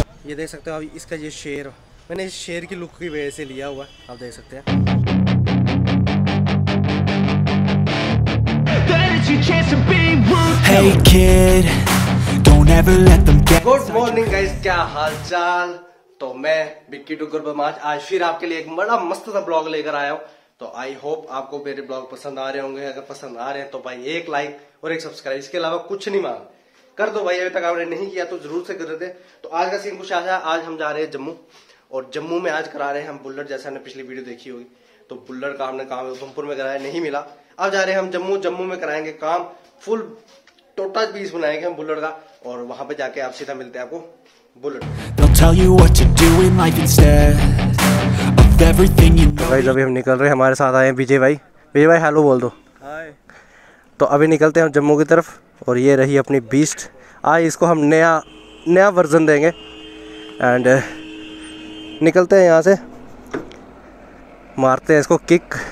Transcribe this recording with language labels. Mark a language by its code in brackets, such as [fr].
[hi] ये देख सकते हो आप इसका ये शेर, मैंने इस शेर की लुक की वजह से लिया हुआ है, आप देख सकते हैं। [en] Hey kid, don't ever let them get. Good morning guys, [hi] क्या हाल चाल? तो मैं बिक्की डुगर बमाज आज फिर आपके लिए एक बड़ा मस्त सा ब्लॉग लेकर आया हूँ। तो [en] I hope [hi] आपको मेरे ब्लॉग पसंद आ रहे होंगे। अगर पसंद आ रहे हैं तो भाई एक लाइक और एक सब्सक्राइब, इसके अलावा कुछ नहीं मांग कर दो भाई। अभी तक आपने नहीं किया तो जरूर से कर दे। तो आज का सीन कुछ आया, आज हम जा रहे हैं जम्मू, और जम्मू में आज करा रहे हैं हम बुल्लट। जैसे हमने पिछली वीडियो देखी होगी तो बुल्लट का हमने काम उधमपुर में कराया, नहीं मिला। अब जा रहे हैं हम जम्मू, जम्मू में कराएंगे काम, फुल टोटल पीस बनाएंगे हम बुल्लट का, और वहां पे जाके आप सीधा मिलते हैं आपको bullet. [en] Tell you what to do in life instead of everything you know. [hi] भाई अभी हम निकल रहे हैं, हमारे साथ आए हैं विजय भाई। विजय भाई हेलो बोल दो। [en] Hi. [hi] तो अभी निकलते हैं हम जम्मू की तरफ, और ये रही अपनी बीस्ट। आज इसको हम नया वर्जन देंगे एंड निकलते हैं यहाँ से, मारते हैं इसको किक।